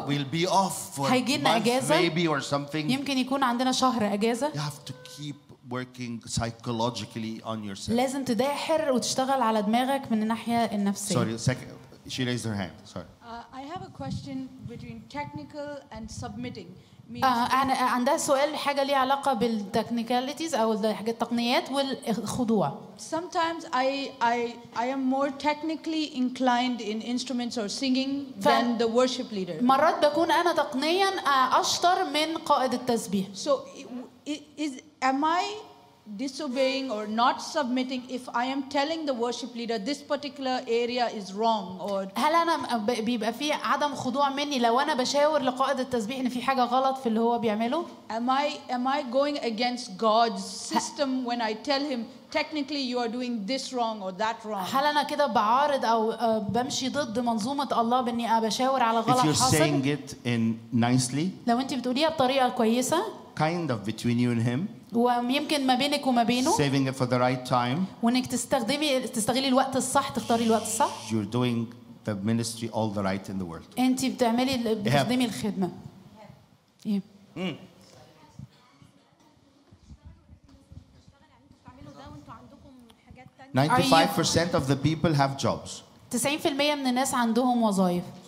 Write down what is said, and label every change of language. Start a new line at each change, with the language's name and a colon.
English: we'll be off for maybe or something
Arabic: يمكن يكون عندنا شهر اجازه
English: you have to keep working psychologically on yourself
Arabic: لازم تداحر وتشتغل على دماغك من الناحيه النفسيه
English: sorry second she raised her hand sorry I have a question between technical and submitting
Arabic: أنا عندها سؤال حاجة ليها علاقة بالتكنيكاليتيز أو حاجة التقنيات والخضوع.
English: Sometimes I am more technically inclined in instruments or singing than the worship leader.
Arabic: مرات بكون أنا تقنيا أشطر من قائد التسبيح.
English: So am I disobeying or not submitting if I am telling the worship leader this particular area is wrong or
Arabic: هل انا بيبقى في عدم خضوع مني لو انا بشاور لقائد التسبيح ان في حاجه غلط في اللي هو بيعمله
English: am I going against God's system when I tell him technically you are doing this wrong or that wrong
Arabic: هل انا كده بعارض او بمشي ضد منظومه الله باني بشاور على غلط حصل
English: if you're saying it in nicely
Arabic: لو انت بتقوليها بطريقه كويسه
English: kind of between you and him
Arabic: ويمكن ما بينك وما بينه
English: saving it for the right time
Arabic: وانك تستغلي الوقت الصح تختاري الوقت الصح
English: you're doing the ministry all the right in the world
Arabic: انت بتعملي بتقدمي الخدمه ايه
English: yeah. 95% of the people have jobs
Arabic: 90% من الناس عندهم وظايف